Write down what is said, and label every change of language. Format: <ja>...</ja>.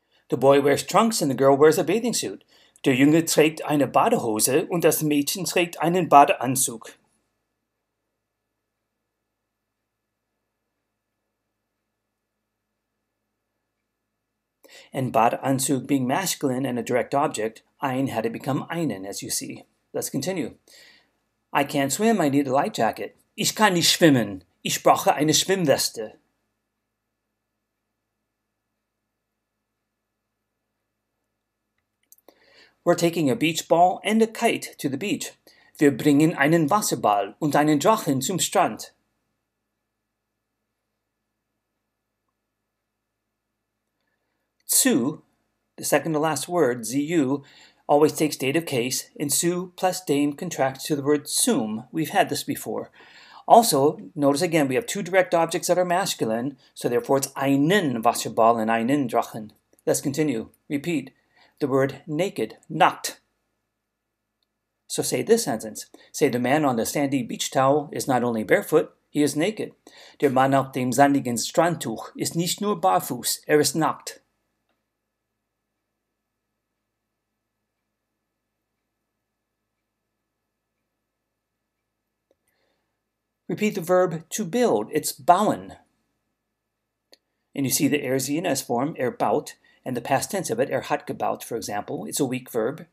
<en>The boy wears trunks and the girl wears a bathing suit.</en> <de>Der Junge trägt eine Badehose und das Mädchen trägt einen Badeanzug.</de> <en>And Badeanzug being masculine and a direct object, ein had to become einen, as you see. Let's continue. I can't swim, I need a life jacket.</en> <de>Ich kann nicht schwimmen. Ich brauche eine Schwimmweste.</de> <en>We're taking a beach ball and a kite to the beach.</en> <de>Wir bringen einen Wasserball und einen Drachen zum Strand.</de> <en>Zu, the second to last word, zu, always takes date of case, and zu plus dem contracts to the word zum. We've had this before. Also, notice again, we have two direct objects that are masculine, so therefore it's</en> <de>einen Wasserball</de> <en>and</en> <de>einen Drachen.</de> <en>Let's continue. Repeat. The word naked, nackt. So say this sentence. Say the man on the sandy beach towel is not only barefoot, he is naked.</en> <de>Der Mann auf dem sandigen Strandtuch ist nicht nur barfuß, ist nackt.</de> <en>Repeat the verb to build. It's bauen. And you see the RZNS form, baut, and the past tense of it, hat gebaut, for example. It's a weak verb.</en>